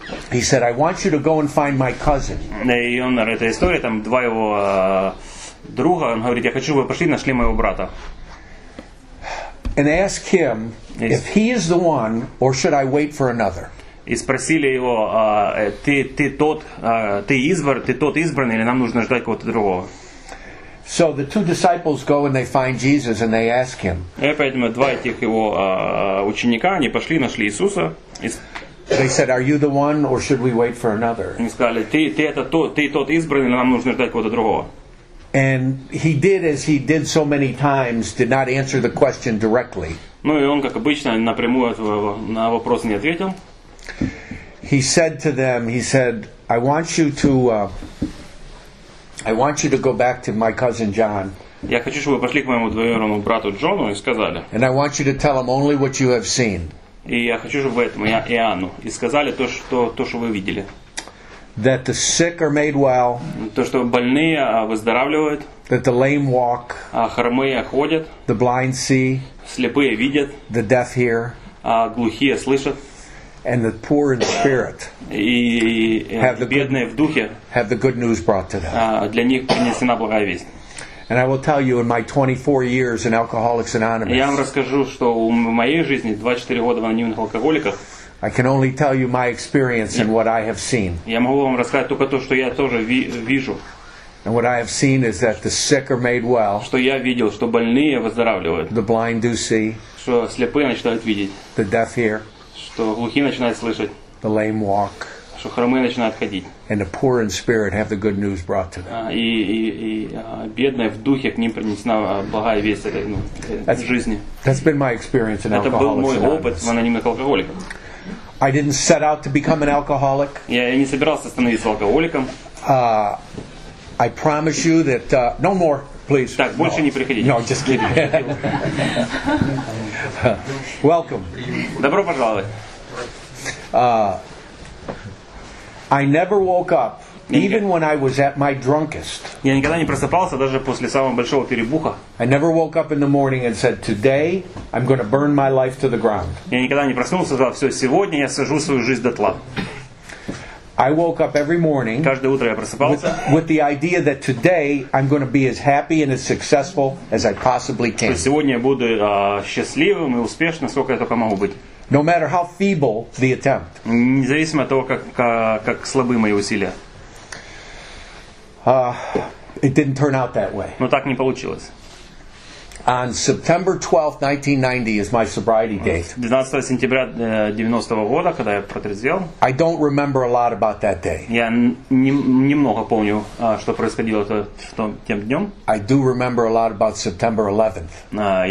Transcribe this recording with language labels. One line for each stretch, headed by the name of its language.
English: He said, "I want you to go and find my cousin."
Russian: И он в этой истории там два его друга. Он говорит, я хочу, чтобы вы пошли, нашли моего брата.
English: And ask him if he is the one, or should I wait for another?
Russian: И спросили его, ты тот избранный, или нам нужно ждать кого-то другого?
English: So the two disciples go and they find Jesus and they ask him.
Russian: И поэтому два этих его ученика, они пошли, нашли Иисуса.
English: They said, "Are you the one, or should we wait for another?"
Russian: Они сказали, ты тот избранный, или нам нужно ждать кого-то другого?
English: And he did as he did so many times, did not answer the question directly.
Russian: Ну и он как обычно напрямую на вопрос не ответил.
English: He said to them, he said, I want you to go back to my cousin John.
Russian: Я хочу, чтобы вы пошли к моему двоюродному брату Джону и сказали.
English: And I want you to tell him only what you have seen.
Russian: И я хочу, чтобы вы этому Иоанну и сказали то, что вы видели.
English: That the sick are made well.
Russian: То, что больные выздоравливают.
English: That the lame walk.
Russian: Хромые ходят.
English: The blind see.
Russian: Слепые видят.
English: The deaf hear.
Russian: Глухие слышат.
English: And the poor in spirit have the good news brought to them.
Russian: Для них принесена благая весть.
English: And I will tell you in my 24 years in Alcoholics Anonymous.
Russian: Я вам расскажу, что в моей жизни 24 года в анонимных алкоголиках.
English: I can only tell you my experience and what I have seen.
Russian: Я могу вам рассказать только то, что я тоже вижу.
English: And what I have seen is that the sick are made well.
Russian: Что я видел, что больные выздоравливают.
English: The blind do see.
Russian: Что слепые начинают видеть.
English: The deaf hear.
Russian: Что глухие начинают слышать.
English: The lame walk.
Russian: Что хромые начинают ходить.
English: And the poor in spirit have the good news brought to them.
Russian: Бедные в духе, к ним принесена благая весть этой жизни.
English: That's been my experience in Alcoholics Anonymous.
Russian: Это был мой опыт в анонимных алкоголиках.
English: I didn't set out to become an alcoholic.
Russian: Я не собирался становиться алкоголиком.
English: I promise you that no more, please.
Russian: Так, больше
English: no.
Russian: Не приходите.
English: No, just kidding. Welcome.
Russian: Добро пожаловать.
English: I never woke up, even when I was at my drunkest.
Russian: Я никогда не просыпался даже после самого большого перебуха.
English: I never woke up in the morning and said, "Today I'm going to burn my life to the ground."
Russian: Я никогда не проснулся и сказал, "Все, сегодня я сожгу свою жизнь дотла."
English: I woke up every morning.
Russian: Каждое утро я просыпался.
English: With the idea that today I'm going to be as happy and as successful as I possibly can.
Russian: Что сегодня я буду счастливым и успешным, сколько я только могу быть.
English: No matter how feeble the attempt.
Russian: Независимо от того, как слабы мои усилия.
English: It didn't turn out that way.
Russian: Но так не получилось.
English: On September 12th, 1990 is my sobriety date.
Russian: 12 сентября 90 года, когда я протрезвел.
English: I don't remember a lot about that day.
Russian: Я немного помню, что происходило тем днем.
English: I do remember a lot about September 11th.